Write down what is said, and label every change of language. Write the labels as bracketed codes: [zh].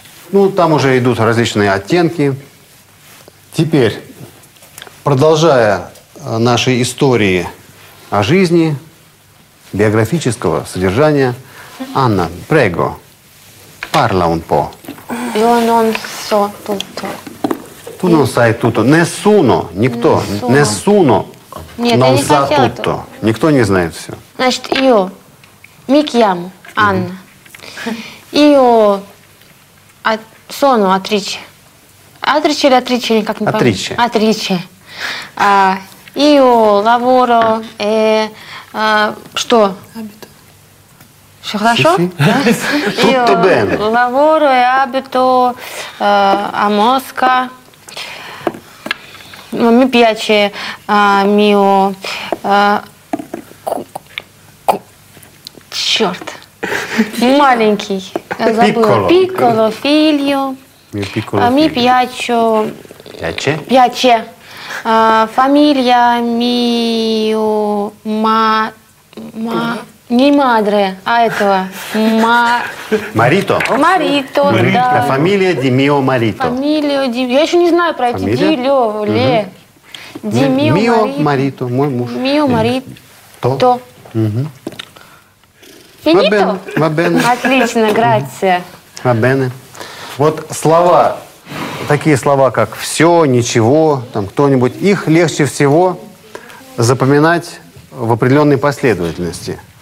[ru] Ну, там уже идут различные оттенки. Теперь, продолжая наши истории о жизни, биографического содержания, Анна, [it] prego, parla un po'. Io non so tutto. Tu non sai tutto. Nessuno, [ru] никто, [it] nessuno. [ru] Нет, я не хотела тут-то. Никто не знает все. [it] Значит, io, mi chiamo Anna. Io sono attrice. [ru] Attrice или attrice, никак не помню. Attrice. [it] Attrice. Io lavoro e... Что? Abito. [ru] Все хорошо? [it] Tutto bene. Lavoro e abito a Mosca. Ma mi piace mio... [ru] Чёрт. Маленький. Забыла. [it] Пикколо фильо. Mi piace. Piace? Piace. Famiglia mio ma ma [ru] не [it] madre, [ru] а этого. [it] Ma marito. Marito. [ru] Да. [it] Фамилия di mio marito. [ru] Фамилия di. Я ещё не знаю про эти di lo le. [it] Di mio Mio marito, [ru] мой муж. [it] Mio marito. То. Угу. Finito? Va bene. [ru] Отлично, grazie. [it] Va bene. [ru] Вот слова, такие слова, как «все», «ничего», там «кто-нибудь», их легче всего запоминать в определенной последовательности.